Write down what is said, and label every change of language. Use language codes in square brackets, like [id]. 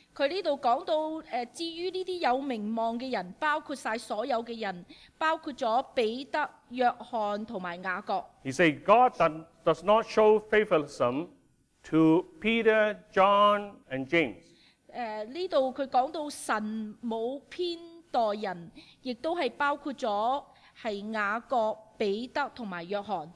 [zh] 他这里讲到至于这些有名望的人，包括所有的人，包括了彼得、约翰和雅各。 [en] He said, God does not show favoritism to Peter, John, and James. [zh] 这里他讲到神没有偏待人，也都是包括了是雅各、彼得和约翰。